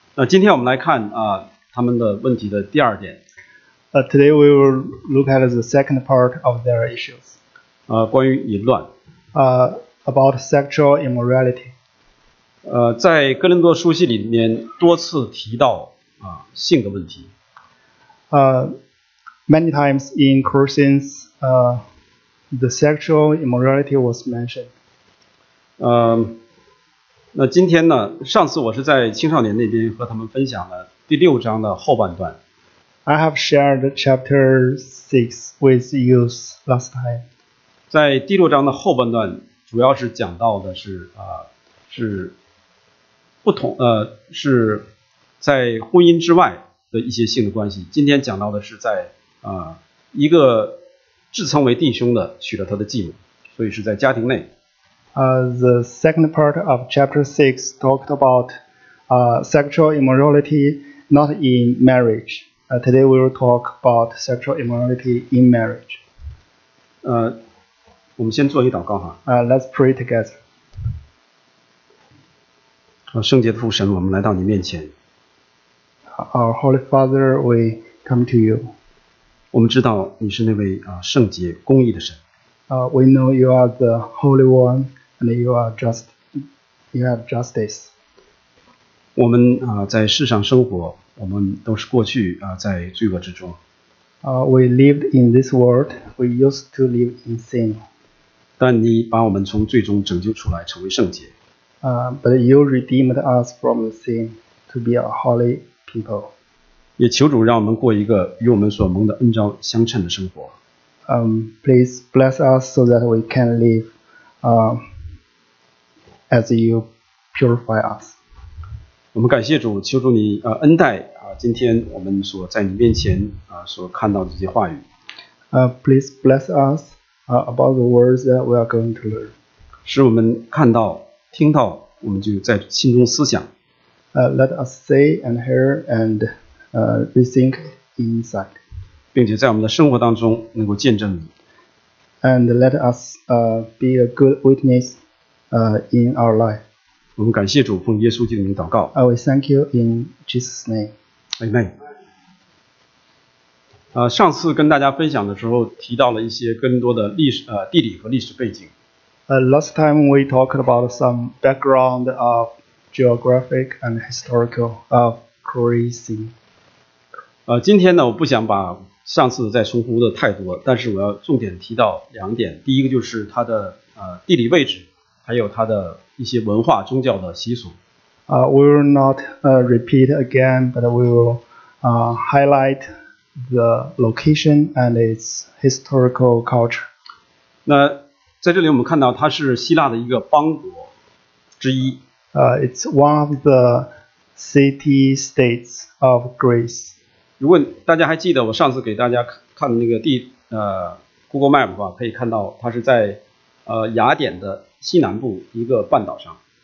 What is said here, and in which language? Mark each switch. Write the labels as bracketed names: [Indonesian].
[Chinese] 今天我们来看他们的问题的第二点。 [English] Today we will look at the second part of their issues. [Chinese] 关于淫乱。 [English] About sexual immorality. [Chinese] 在哥林多书信里面多次提到性的问题。 [English] Many times in Corinthians, the sexual immorality was mentioned. [Chinese] 那今天呢，上次我是在青少年那边和他们分享了第六章的后半段。 [English] I have shared chapter 6 with youth last time. [Chinese] 在第六章的后半段主要是讲到的是是不同是在婚姻之外的一些性的关系。今天讲到的是在一个自称为弟兄的娶了他的继母，所以是在家庭内。 [English] The second part of chapter 6 talked about sexual immorality not in marriage. Today we will talk about sexual immorality in marriage. [Chinese] 我们先做一祷告哈。 [English] Let's pray together. [Chinese] 圣洁的父神，我们来到你面前。 [English] Our Holy Father, we come to you. [Chinese] 我们知道你是那位圣洁公义的神。 [English] We know you are the Holy One. And you are just, you have justice. [Chinese] 我们在世上生活，我们都是过去在罪恶之中。 [English] We lived in this world. We used to live in sin. [Chinese] 但你把我们从罪中拯救出来，成为圣洁。 [English] But you redeemed us from sin to be a holy people. [Chinese] 也求主让我们过一个与我们所蒙的恩召相称的生活。 [English] Please bless us so that we can live. As you purify us. [Chinese] 我们感谢主，求主你恩待今天我们所在你面前所看到的这些话语。 [English] Please bless us about the words that we are going to learn. [Chinese] 使我们看到听到我们就在心中思想。 [English] Let us say and hear and rethink inside. [Chinese] 并且在我们的生活当中能够见证你。 [English] And let us be a good witness in our life. [Chinese] 我们感谢主，奉耶稣基督的名祷告。 [English] We thank you in Jesus' name. Amen. [Chinese] 上次跟大家分享的时候提到了一些更多的历史地理和历史背景。 [English] Last time we talked about some background of geographic and historical of Greece. [Chinese] 今天呢，我不想把上次再重复的太多，但是我要重点提到两点。第一个就是它的地理位置。还有他的一些文化宗教的习俗。 [English] We will not repeat again, but we will highlight the location and its historical culture. [Chinese] 那在这里我们看到它是希腊的一个邦国之一。 [English] It's one of the city states of Greece. [Chinese] 如果大家还记得我上次给大家看那个Google Map 的话，可以看到它是在雅典的西南部一个半岛上。